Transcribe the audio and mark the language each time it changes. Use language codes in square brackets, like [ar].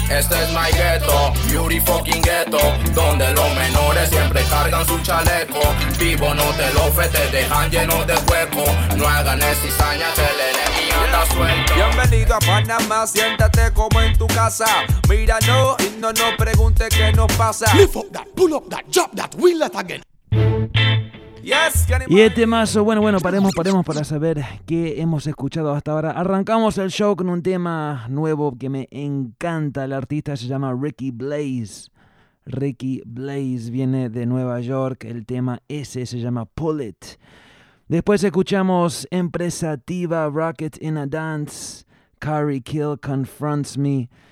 [es] Este es [en] my ghetto, beauty fucking ghetto. [es] Donde los menores siempre cargan su chaleco. Vivo no te lo fe, te dejan lleno de hueco. No hagan cizaña que el enemigo anda suelto. Bienvenido a Panamá, siéntate como en tu casa. Míralo y no nos pregunte qué nos pasa. [en] Lift up that, pull up that, drop that, wheel that again. Yes, [es] y el temazo, bueno, paremos para saber qué hemos escuchado hasta ahora. Arrancamos el show con un tema nuevo que me encanta. El artista se llama Ricky Blaze. Ricky Blaze viene de Nueva York. El tema ese se llama Pull It. Después escuchamos Empresativa, Rocket in a Dance, Carrie Kill Confronts Me.